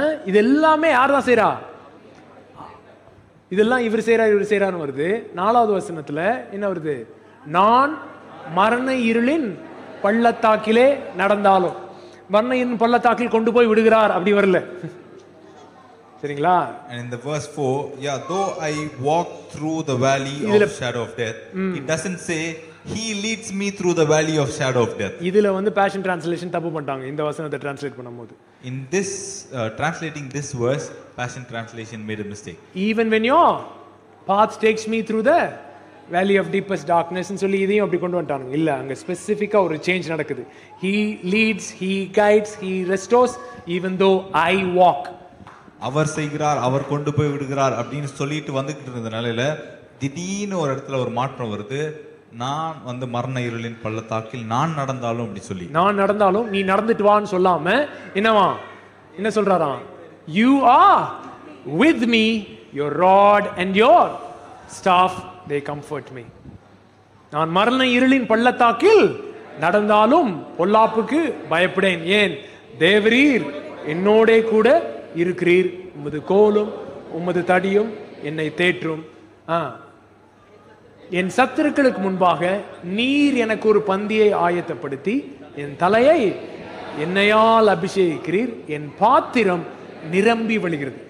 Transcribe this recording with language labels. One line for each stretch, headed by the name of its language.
Tamil: இது எல்லாமே யார் தான் செய்றா? இதெல்லாம் இவர் செய்றார், இவர் செய்றாருன்னு வருது. 4வது வசனத்துல என்ன வருது? நான் மரண இருளின் பள்ளத்தாக்கிலே நடந்தாலும், மரண இருளின் பள்ளத்தாக்கில் கொண்டு போய் விடுகிறார் அப்படி வரல சரிங்களா?
English: And in the verse 4, yeah, though I walk through the valley of shadow of death, it doesn't say he leads me through the valley of shadow of death.
Tamil: இதுல வந்து passion translation தப்பு பண்ணாங்க இந்த வசனத்தை translate பண்ணும்போது.
English: In this translating this verse, passion translation made a mistake. Even when your path takes me through the valley of deepest darkness
Tamil: னு சொல்லி இதையும் அப்படி கொண்டு வந்துட்டாங்க. இல்ல, அங்க ஸ்பெசிபிக்கா ஒரு சேஞ்ச் நடக்குது.
English: He leads, he guides, he restores even though I walk.
Tamil: அவர் செய்கிறார், அவர் கொண்டு போய் விடுகிறார் அப்படின்னு சொல்லிட்டு வந்துகிட்டு இருந்த நிலையில திடீர்னு ஒரு இடத்துல ஒரு மாற்றம் வருது. நான் வந்து மரண இருளின் பள்ளத்தாக்கில் நான் நடந்தாலும் அப்படி சொல்லி, நான் நடந்தாலும் நீ நடந்துட்டு வான்னு சொல்லாம என்னவா என்ன சொல்றாராம்?
English: You are with me, your rod and your staff, they comfort me.
Tamil: நான் மரண இருளின் பள்ளத்தாக்கில் நடந்தாலும் பொல்லாப்புக்கு பயப்படேன். ஏன்? தேவரீர் என்னோட கூட இருக்கிறீர், உமது கோலும் உமது தடியும் என்னை தேற்றும், என் சத்துருக்களுக்கு முன்பாக நீர் எனக்கு ஒரு பந்தியை ஆயத்தப்படுத்தி என் தலையை என்னையால் அபிஷேகிக்கிறீர், என் பாத்திரம் நிரம்பி வழிகிறது.